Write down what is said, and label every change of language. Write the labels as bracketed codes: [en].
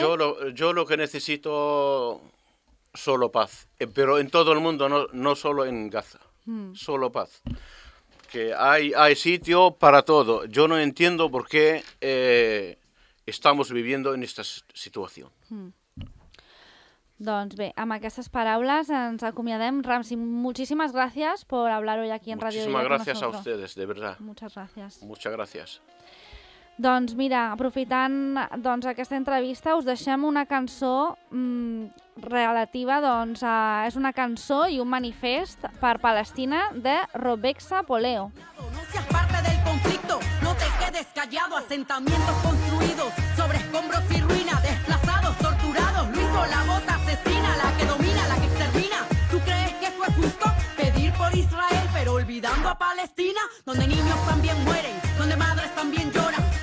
[es] Yo lo que necesito solo paz. Pero en todo el mundo, no solo en Gaza. Solo paz. Que hay sitio para todo. Yo no entiendo por qué estamos viviendo en esta situación. [ca] Doncs bé, amb aquestes paraules ens acomiadem. [es] Ramsi, muchísimas gracias por hablar hoy aquí en Radio Vida. Muchísimas gracias a ustedes, de verdad. Muchas gracias. Muchas gracias. [ca] Doncs mira, aprofitant doncs, aquesta entrevista, us deixem una cançó relativa, doncs, és una cançó i un manifest per Palestina de Robexa Poleo. [es] No seas parte del conflicto, no te quedes callado, asentamientos construidos sobre escombros y ruinas, desplazados, torturados, lo hizo la bota asesina, la que domina, la que extermina. ¿Tú crees que eso es justo? Pedir por Israel, pero olvidando a Palestina, donde niños también mueren, donde madres también lloran.